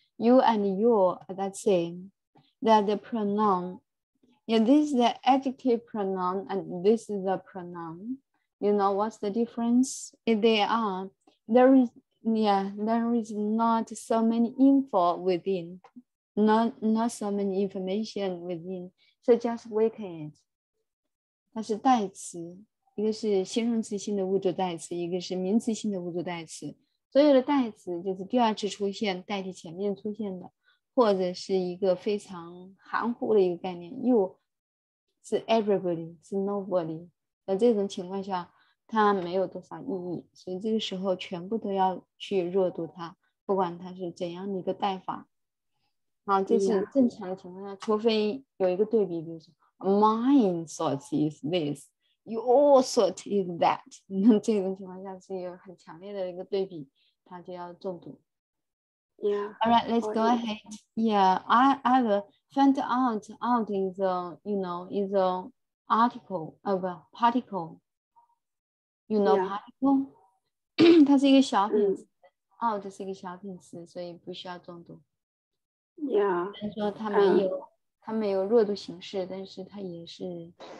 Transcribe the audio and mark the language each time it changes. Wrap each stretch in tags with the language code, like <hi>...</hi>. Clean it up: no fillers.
<en>You and your are the same. That the pronoun, yeah, this is the adjective pronoun and this is the pronoun. You know what's the difference? If they are, there is not so many info within, not so many information within, so just weaken it.</en> <zh>但是代词, 一个是形容词性的物主代词，一个是名词性的物主代词。所有的代词就是第二次出现代替前面出现的，或者是一个非常含糊的一个概念，又是 everybody 是 nobody， 那这种情况下它没有多少意义，所以这个时候全部都要去弱读它，不管它是怎样的一个代法。好，这是正常的情况下，除非有一个对比，比如说</zh> <en>my thought is thisYour sort is that.</en> <zh>那这种情况下是有很强烈的一个对比，它就要重读。</zh> <en>Yeah. All right, let's go ahead. Yeah, I will find out. Out is a, you know, is a article of a particle. You know, yeah.</en> <zh>Particle. 它是一个小品词。 Out 是一个小品词，所以不需要重读。</zh> <en>Yeah.</en> <zh>但是说它没有，它没有弱读形式，但是它也是。</zh>